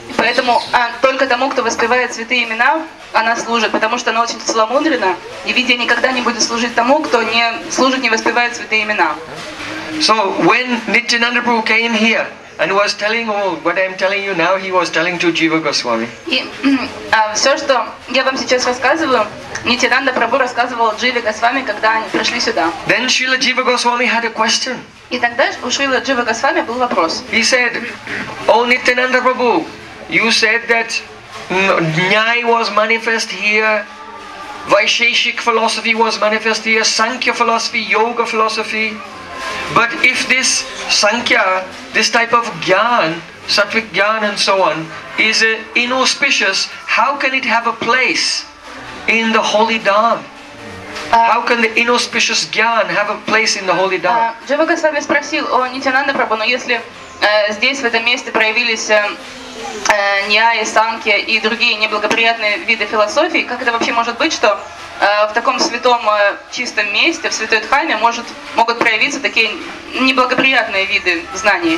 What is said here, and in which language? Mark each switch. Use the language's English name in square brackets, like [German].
[Russian] Поэтому только тому, кто воспевает святые имена, она служит, потому что она очень целомудрена, и Видия никогда не будет служить тому, кто не служит, не воспевает святые имена. [English] So when Nityananda Prabhu came here and was telling all what I'm telling you now, he was telling to Jiva Goswami. [Russian] Все, что я вам сейчас рассказываю, Нитянанда Прабху рассказывал Дживе Госвами, когда они пришли сюда. [English] Then Srila Jiva Goswami had a question. [Russian] И тогда у Шрилы Дживы Госвами был вопрос. [English] He said, "O Nityananda Prabhu, you said that Nyai was manifest here, Vaisheshik philosophy was manifest here, Sankhya philosophy, Yoga philosophy. But if this Sankhya, this type of Gyan, Sattvic Gyan and so on, is inauspicious, how can it have a place in the Holy Dharma? How can the inauspicious Gyan have a place in the Holy Dharma?" [Russian] Джива Госвами спросил о Нитянанда Прабху, но если здесь, в этом месте, проявились Ньяя, Санкья и другие неблагоприятные виды философии, как это вообще может быть, что в таком святом чистом месте, в святой Дхаме, могут проявиться такие неблагоприятные виды знаний?